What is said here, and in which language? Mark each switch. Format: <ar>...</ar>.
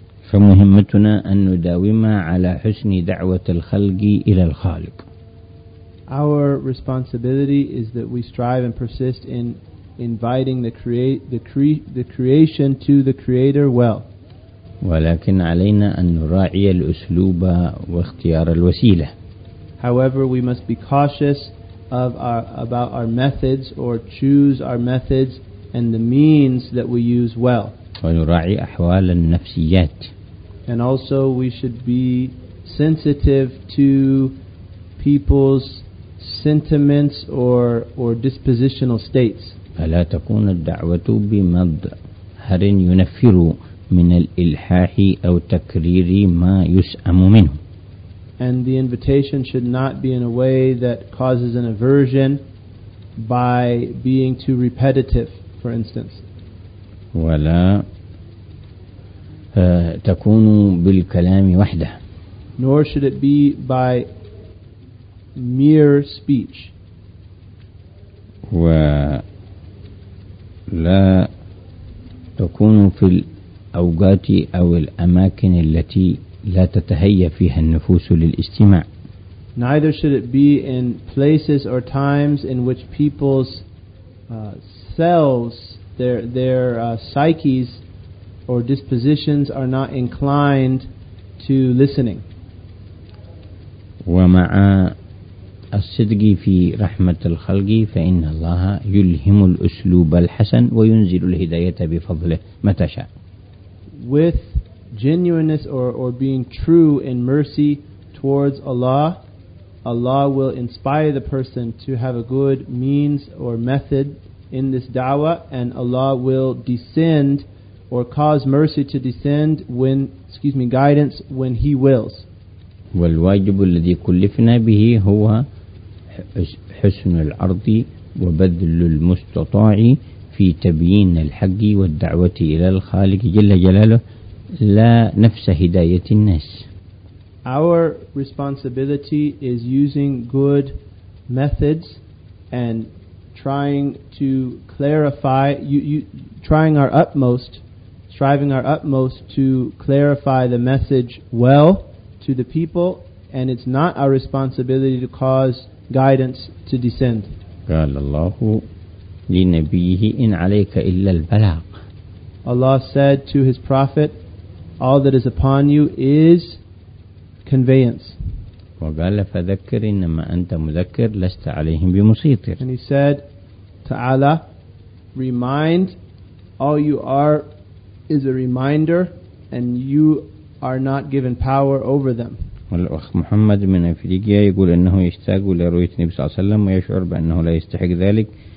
<ar>فمهمتنا أن نداوم على حسن دعوة الخلق إلى الخالق.</ar> <en>Our responsibility is that we strive and persist in inviting the creation to the Creator well.</en> <ar>ولكن علينا أن نراعي الأسلوب واختيار الوسيلة.</ar> <en>However, we must be cautious about our methods, or choose our methods and the means that we use well.</en> <ar>ونراعي أحوال النفسيات.</ar> <en>And also we should be sensitive to people's sentiments or dispositional states.</en> <ar>فلا تكون الدعوة بمظهر ينفر من الإلحاح أو تكرير ما يسأم منه.</ar> <en>And the invitation should not be in a way that causes an aversion by being too repetitive, for instance.</en> <ar>ولا تكون بالكلام وحده.</ar> <en>Nor should it be by mere speech.</en> <ar>ولا تكون في الأوقات أو الأماكن التي لا تتهيأ فيها النفوس للاستماع.</ar> <en>Neither should it be in places or times in which people's selves, their psyches or dispositions are not inclined to listening.</en> <ar>ومع الصدق في رحمة الخلق فإن الله يلهم الأسلوب الحسن وينزل الهداية بفضله متى شاء.</ar> <en>With genuineness or being true in mercy towards Allah, Allah will inspire the person to have a good means or method in this da'wah, and Allah will descend or cause mercy to descend guidance when He wills.</en> <ar>والواجب الذي كلفنا به هو حسن العرض وبذل المستطاع في تبيين الحق والدعوة إلى الخالق جل جلاله لا نفس هداية الناس.</ar> <en>Our responsibility is using good methods and trying to clarify, trying our utmost, striving our utmost to clarify the message well to the people, and it's not our responsibility to cause guidance to descend.</en> <ar>قال الله لنبيه إن عليك إلا البلاغ.</ar> <en>Allah said to His Prophet, all that is upon you is conveyance.</en> <ar>وقال فذكر إنما أنت مذكر لست عليهم بمسيطر.</ar> <en>And He said, تعالى, remind, all you are is a reminder, and you are not given power over them.</en> <ar>والأخ محمد من أفريقيا يقول أنه يشتاق لرؤية النبي صلى الله عليه وسلم ويشعر بأنه لا يستحق ذلك.</ar>